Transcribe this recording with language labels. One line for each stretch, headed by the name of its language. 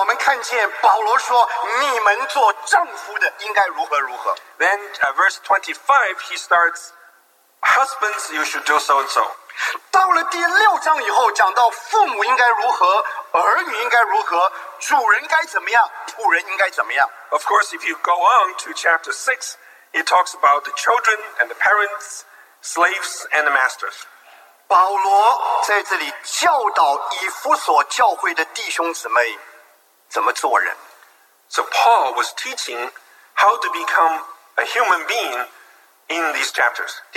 Chinese: 那么到了25节呢,我们看见保罗说, 你们做丈夫的应该如何如何。
English: Then, verse 25, he starts, Husbands, you should do so and so.
Chinese: 到了第六章以后,讲到父母应该如何, 儿女应该如何, 主人该怎么样, 仆人应该怎么样。
English: Of course, if you go on to chapter 6, it talks about the children and the parents, slaves and the masters.
Chinese: 保罗在这里教导以弗所教会的弟兄姊妹怎么做人。
English: So Paul was teaching how to become a human being in these chapters.